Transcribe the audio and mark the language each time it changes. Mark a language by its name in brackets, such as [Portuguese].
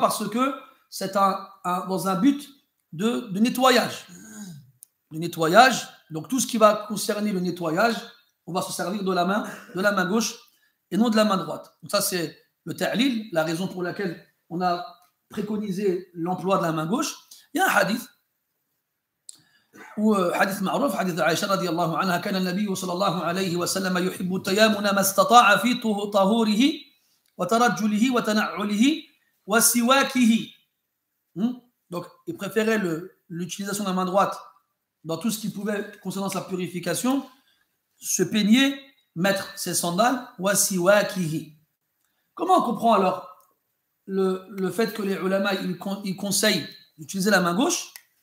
[French] Parce que c'est un dans un but de nettoyage. Le nettoyage, donc tout ce qui va concerner le nettoyage, on va se servir de la main gauche et non de la main droite. Donc ça, c'est le ta'lil, la raison pour laquelle on a préconisé l'emploi de la main gauche. Il y a un [Arabic] hadith, حديث معروف حديث عائشة رضي الله عنها كان النبي صلى الله عليه وسلم يحب التيامن ما استطاع في طهوره وترجله وتنعله وسواكه. [French] Donc il préférait l'utilisation de la main droite dans tout ce qui pouvait concernant sa purification, se peigner, mettre ses sandales, [Arabic] وسواكه. [French] Comment on comprend alors le fait que les ulama ils conseillent d'utiliser la main gauche?